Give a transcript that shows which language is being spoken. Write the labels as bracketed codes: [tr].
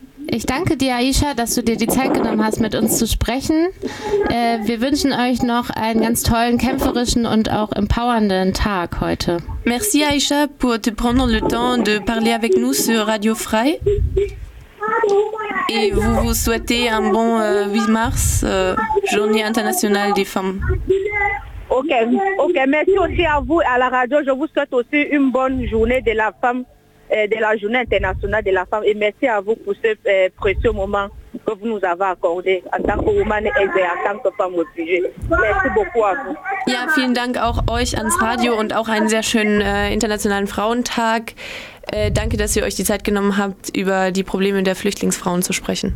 [de] Ich danke dir, Aisha, dass du dir die Zeit genommen hast, mit uns zu sprechen. Wir wünschen euch noch einen ganz tollen, kämpferischen und auch empowernden Tag heute. [fr] Merci, Aisha, pour te prendre le temps de parler avec nous sur Radio Frei. Et vous vous souhaitez un bon 8 mars, Journée internationale des femmes. Ok, ok. Merci aussi à vous et à la radio. Je vous souhaite aussi une bonne journée de la femme, de la Journée internationale de la femme. Et merci à vous pour ce précieux moment que vous nous avez accordé en tant que woman et en tant que femme obligée. Merci beaucoup à vous. [de] Ja, vielen Dank auch euch ans Radio und auch einen sehr schönen Internationalen Frauentag. Danke, dass ihr euch die Zeit genommen habt, über die Probleme der Flüchtlingsfrauen zu sprechen.